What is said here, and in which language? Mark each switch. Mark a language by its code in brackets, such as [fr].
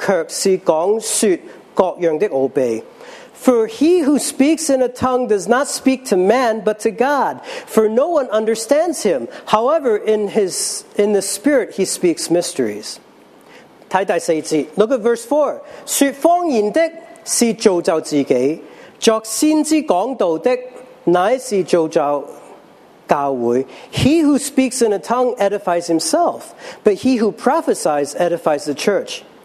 [zh] 十四章第二节，那说方言的，原不是对人说，乃是对神说，因为没有人听出来，然而他在心灵里却是讲说各样的奥秘。 [en] For he who speaks in a tongue does not speak to man, but to God. For no one understands him. However, in the spirit he speaks mysteries. [zh] 看第四节， [en] look at verse 4. [zh] 说方言的是造就自己，作先知讲道的乃是造就教会。 [en] He who speaks in a tongue edifies himself, but he who prophesies edifies the church.